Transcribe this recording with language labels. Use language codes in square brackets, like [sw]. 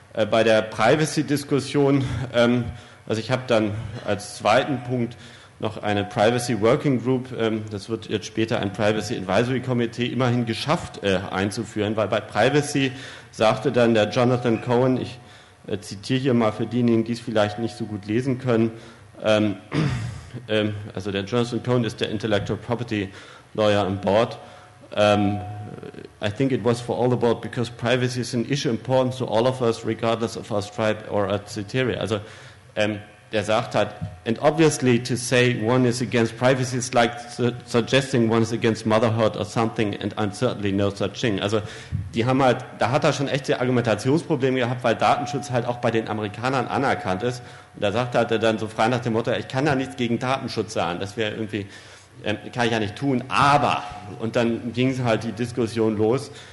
[de] Bei der Privacy-Diskussion, also ich habe dann als zweiten Punkt noch eine Privacy Working Group, das wird jetzt später ein Privacy Advisory Committee, immerhin geschafft einzuführen, weil bei Privacy sagte dann der Jonathan Cohen, ich zitiere hier mal für diejenigen, die es vielleicht nicht so gut lesen können, also der Jonathan Cohen ist der [en] Intellectual Property Lawyer on Board. I think it was for all the board because privacy is an issue important to all of us, regardless of our stripe or our criteria. [de] Also der sagt halt, [en] and obviously to say one is against privacy is like suggesting one is against motherhood or something, and I'm certainly no such thing. [de] Also die haben halt, da hat er schon echt die Argumentationsprobleme gehabt, weil Datenschutz halt auch bei den Amerikanern anerkannt ist. Und da sagt halt er dann so frei nach dem Motto, ich kann da nichts gegen Datenschutz sagen, das wäre irgendwie, kann ich ja nicht tun, aber, und dann ging halt die Diskussion los,